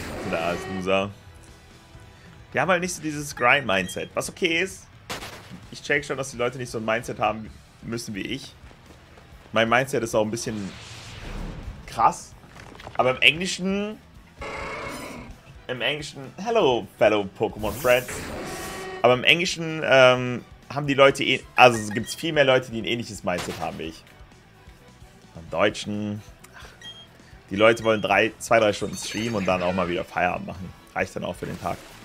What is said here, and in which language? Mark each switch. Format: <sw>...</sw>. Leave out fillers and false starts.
<de>Da ist Loser. Die haben halt nicht so dieses Grind-Mindset, was okay ist. Ich check schon, dass die Leute nicht so ein Mindset haben müssen wie ich. Mein Mindset ist auch ein bisschen krass. Aber im Englischen...</de> <en>Hello, fellow Pokémon friends.</en> <de>Aber im Englischen haben die Leute... Also gibt es viel mehr Leute, die ein ähnliches Mindset haben wie ich. Im Deutschen... Ach, die Leute wollen 2-3 Stunden streamen und dann auch mal wieder Feierabend machen. Reicht dann auch für den Tag.</de>